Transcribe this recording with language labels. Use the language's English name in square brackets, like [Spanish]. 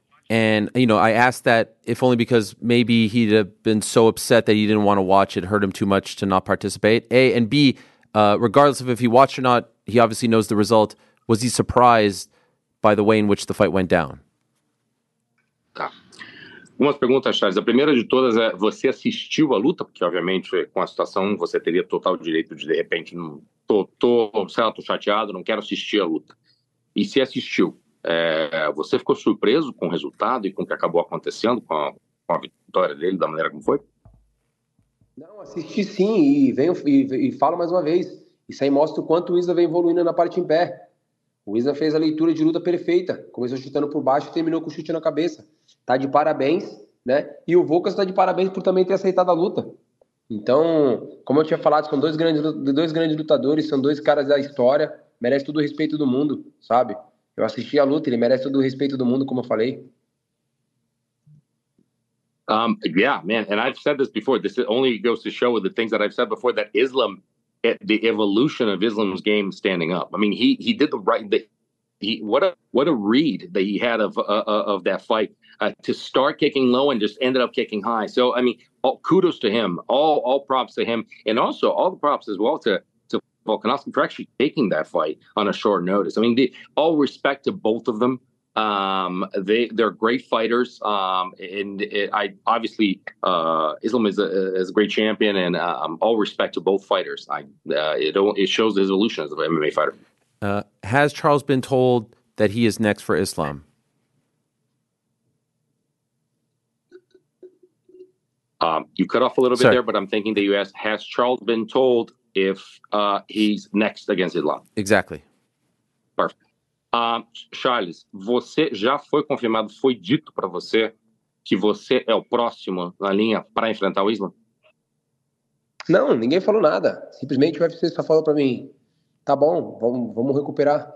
[English] And, you know, I asked that if only because maybe he'd have been so upset that he didn't want to watch it, hurt him too much to not participate, A. And B, regardless of if he watched or not, he obviously knows the result. Was he surprised by the way in which the fight went down? [Portuguese] Tá. Umas perguntas, Charles. A primeira de todas é, você assistiu a luta? Porque, obviamente, com a situação, você teria total direito de repente, tô chateado, não quero assistir a luta. E se assistiu? Você ficou surpreso com o resultado e com o que acabou acontecendo com a vitória dele, da maneira como foi? Não, assisti sim e falo mais uma vez, isso aí mostra o quanto o Isla vem evoluindo na parte em pé. O Isla fez a leitura de luta perfeita, começou chutando por baixo e terminou com o chute na cabeça, tá de parabéns, né? E o Volkas tá de parabéns por também ter aceitado a luta. Então, como eu tinha falado, são dois grandes lutadores, são dois caras da história, merece todo o respeito do mundo, sabe? Eu assisti a luta, ele merece todo o respeito do mundo, como eu falei. [English] Yeah, man, and I've said this before, this only goes to show with the things that I've said before, that Islam, the evolution of Islam's game standing up. I mean, he did the right, what a read that he had of that fight, to start kicking low and just ended up kicking high. So, I mean, all kudos to him, all props to him, and also all the props as well to Volkanovski for actually taking that fight on a short notice. I mean, all respect to both of them. They're great fighters. Islam is a great champion, and all respect to both fighters. It shows the evolution of an MMA fighter. Has Charles been told that he is next for Islam? You cut off a little bit. Sorry. There, but I'm thinking that you asked, has Charles been told if he's next against Islam? Exactly. Perfect. [Portuguese] Charles, você já foi confirmado, foi dito para você que você é o próximo na linha para enfrentar o Islam? Não, ninguém falou nada. Simplesmente o UFC só falou para mim, tá bom, vamos recuperar.